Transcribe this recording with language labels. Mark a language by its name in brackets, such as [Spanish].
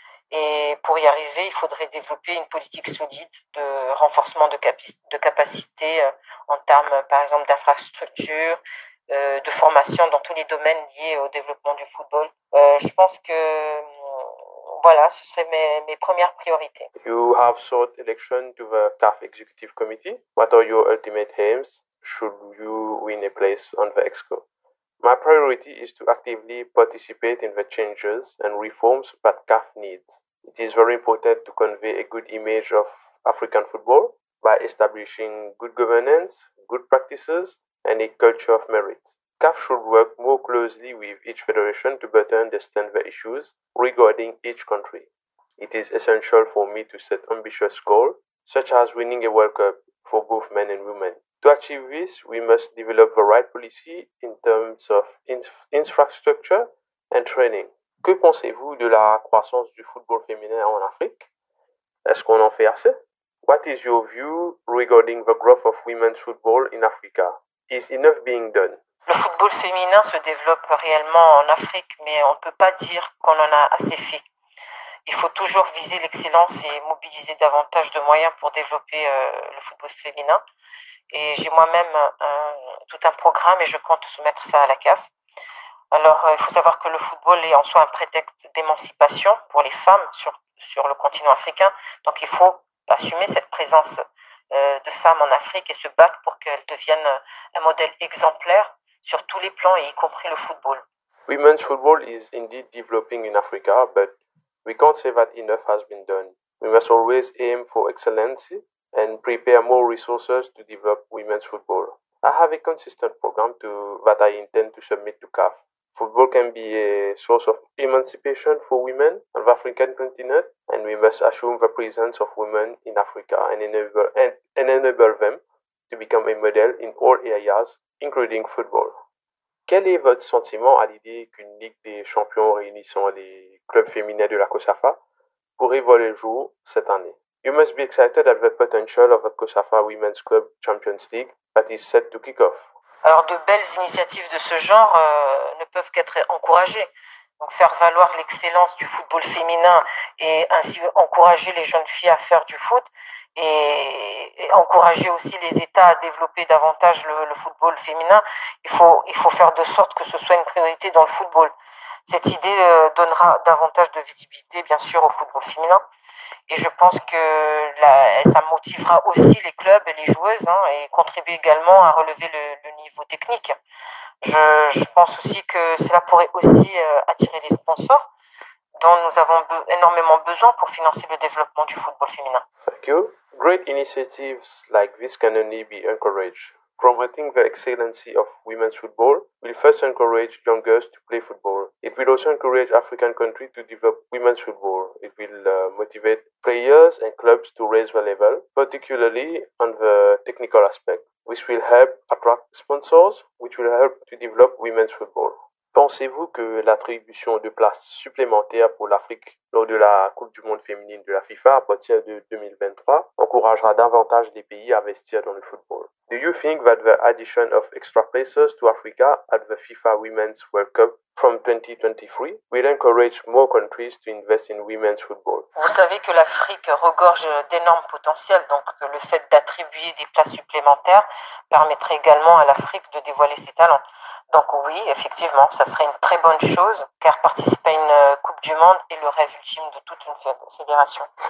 [French] Et pour y arriver, il faudrait développer une politique solide de renforcement de capacités en termes, par exemple, d'infrastructures, de formation dans tous les domaines liés au développement du football. Je pense que, voilà, ce serait mes premières priorités. [English] You have sought election to the CAF Executive Committee. What are your ultimate aims should you win a place on the Exco? My priority is to actively participate in the changes and reforms that CAF needs. It is very important to convey a good image of African football by establishing good governance, good practices, and a culture of merit. CAF should work more closely with each federation to better understand the issues regarding each country. It is essential for me to set ambitious goals, such as winning a World Cup for both men and women. To achieve this, we must develop the right policy in terms of infrastructure and training. [French] Que pensez-vous de la croissance du football féminin en Afrique? Est-ce qu'on en fait assez? [English] What is your view regarding the growth of women's football in Africa? Is enough being done? [French] Le football féminin se développe réellement en Afrique, mais on ne peut pas dire qu'on en a assez fait. Il faut toujours viser l'excellence et mobiliser davantage de moyens pour développer le football féminin. Et j'ai moi-même tout un programme et je compte soumettre ça à la CAF. Alors, il faut savoir que le football est en soi un prétexte d'émancipation pour les femmes sur le continent africain. Donc, il faut assumer cette présence de femmes en Afrique et se battre pour qu'elles deviennent un modèle exemplaire sur tous les plans, y compris le football. [English] Women's football is indeed developing in Africa, but we can't say that enough has been done. We must always aim for excellence and prepare more resources to develop women's football. I have a consistent program that I intend to submit to CAF. Football can be a source of emancipation for women on the African continent, and we must assume the presence of women in Africa and enable them to become a model in all areas, including football. [French] Quel est votre sentiment à l'idée qu'une Ligue des champions réunissant les clubs féminins de la COSAFA pourrait voir le jour cette année? [English] You must be excited at the potential of the COSAFA Women's Club Champions League that is set to kick off. [French] Alors, de belles initiatives de ce genre ne peuvent qu'être encouragées. Donc, faire valoir l'excellence du football féminin et ainsi encourager les jeunes filles à faire du foot et encourager aussi les États à développer davantage le football féminin, il faut faire de sorte que ce soit une priorité dans le football. Cette idée donnera davantage de visibilité, bien sûr, au football féminin. Et je pense que ça motivera aussi les clubs et les joueuses hein, et contribue également à relever le niveau technique. Je pense aussi que cela pourrait aussi attirer les sponsors dont nous avons énormément besoin pour financer le développement du football féminin. [English] Thank you. Great initiatives like this can only be encouraged. Promoting the excellency of women's football will first encourage young girls to play football. It will also encourage African countries to develop women's football. It will motivate players and clubs to raise the level, particularly on the technical aspect, which will help attract sponsors, which will help to develop women's football. [French] Pensez-vous que l'attribution de places supplémentaires pour l'Afrique lors de la Coupe du monde féminine de la FIFA à partir de 2023 encouragera davantage les pays à investir dans le football? [English] Do you think that the addition of extra places to Africa at the FIFA Women's World Cup from 2023 will encourage more countries to invest in women's football? [French] Vous savez que l'Afrique regorge d'énormes potentiels, donc le fait d'attribuer des places supplémentaires permettrait également à l'Afrique de dévoiler ses talents. Donc oui, effectivement, ça serait une très bonne chose, car participer à une Coupe du Monde est le rêve ultime de toute une fédération.